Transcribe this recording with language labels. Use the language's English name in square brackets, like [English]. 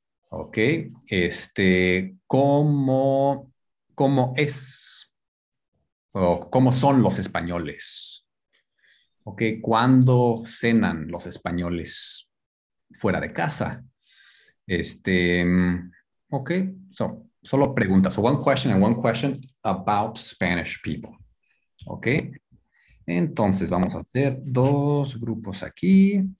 [Spanish] Okay, ¿cómo es? O, ¿cómo son los españoles? Okay, ¿cuándo cenan los españoles fuera de casa? Okay, so solo preguntas. [English] So one question and one question about Spanish people. [Spanish] Okay, entonces vamos a hacer dos grupos aquí.